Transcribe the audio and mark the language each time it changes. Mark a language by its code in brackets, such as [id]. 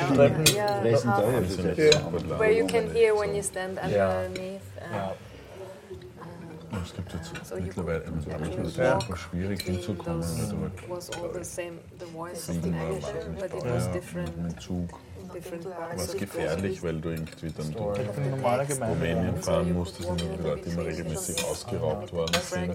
[en] Where you can hear when you stand underneath. [de] Es gibt jetzt mittlerweile, es ist super schwierig hinzukommen. [en] It was all the same, the voice of the manager, but it was different. [de] War es gefährlich, weil du irgendwie dann durch Rumänien fahren musstest und die Leute immer regelmäßig ausgeraubt worden sind.